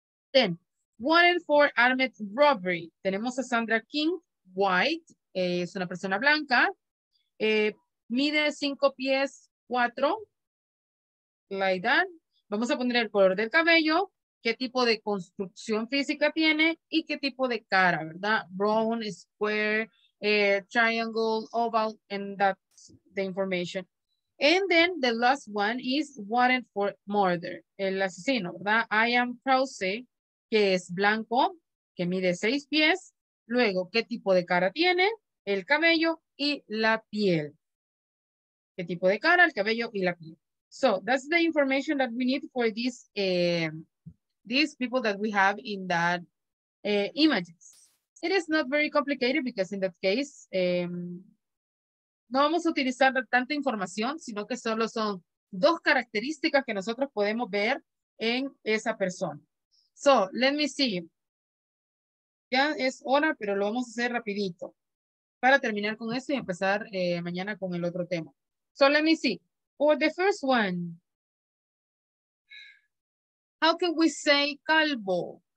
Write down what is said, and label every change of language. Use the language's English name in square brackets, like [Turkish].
[English] Then, wanted for armed robbery. [Spanish] Tenemos a Sandra King, white, es una persona blanca. Mide 5 pies 4, la edad. Vamos a poner el color del cabello, qué tipo de construcción física tiene y qué tipo de cara, ¿verdad? [English] Brown, square, triangle, oval, and that's the information. And then the last one is wanted for murder, [Spanish] el asesino, ¿verdad? I am Krause, que es blanco, que mide 6 pies. Luego, qué tipo de cara tiene, el cabello y la piel. ¿Qué tipo de cara, el cabello y la piel? [English] So, that's the information that we need for these people that we have in that images. It is not very complicated because in that case, [Spanish] no vamos a utilizar tanta información, sino que solo son 2 características que nosotros podemos ver en esa persona. [English] So, let me see. [Spanish] Ya es hora, pero lo vamos a hacer rapidito para terminar con esto y empezar mañana con el otro tema. [English] So let me see, for the first one, how can we say calvo?